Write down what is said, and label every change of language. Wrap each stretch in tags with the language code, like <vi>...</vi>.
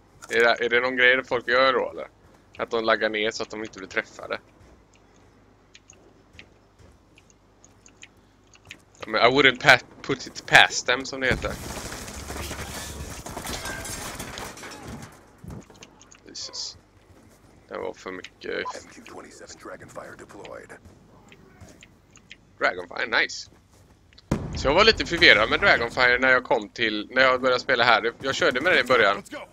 <sv>Är det någon grej folk gör då, eller? Att de laggar ner så att de inte blir träffade?</sv> <en>I mean, I wouldn't put it past them, som det heter.</en> <sv>Jesus. Det var för mycket. MQ-27 Dragonfire deployed. Dragonfire, nice. Så jag var lite förvirrad med Dragonfire när jag kom till, när jag började spela här. Jag körde med det i början.</sv>